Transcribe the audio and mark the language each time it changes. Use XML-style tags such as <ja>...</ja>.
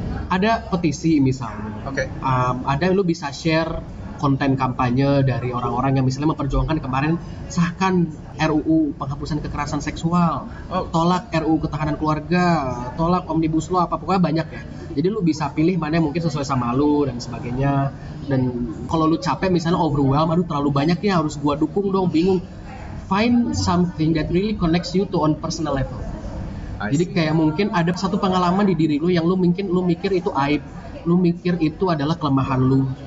<id>Ada petisi misalnya. Ada lu bisa share konten kampanye dari orang-orang yang misalnya memperjuangkan kemarin sahkan RUU penghapusan kekerasan seksual, tolak RUU ketahanan keluarga, tolak omnibus law, apa pokoknya banyak ya. Jadi lu bisa pilih mana yang mungkin sesuai sama lu dan sebagainya. Dan kalau lu capek misalnya overwhelmed, aduh terlalu banyak ya harus gua dukung dong, bingung.</id> <en>Find something that really connects you to on personal level.</en> <id>Jadi kayak mungkin ada satu pengalaman di diri lu yang lu mungkin lu mikir itu aib, lu mikir itu adalah kelemahan lu.</id>